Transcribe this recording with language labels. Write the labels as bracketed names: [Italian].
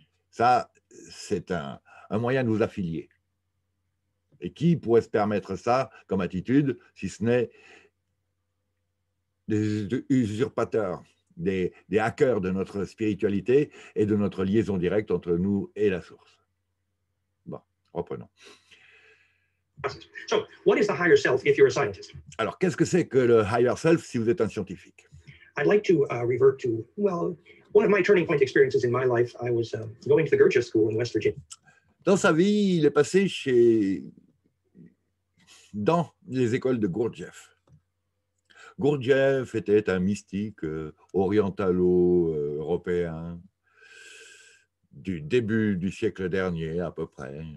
[French] Ça, c'est un moyen de vous affilier. Et qui pourrait se permettre ça comme attitude, si ce n'est des usurpateurs, des hackers de notre spiritualité et de notre liaison directe entre nous et la source. Bon, reprenons. [English] So, what is the higher self if you're a scientist? [French] Alors, qu'est-ce que c'est que le higher self si vous êtes un scientifique? [English] I'd like to revert to, well, one of my turning point experiences in my life, I was going to the Goethe School in West Virginia. [French] Dans sa vie, il est passé dans les écoles de Gurdjieff. Gurdjieff était un mystique orientalo-européen du début du siècle dernier, à peu près.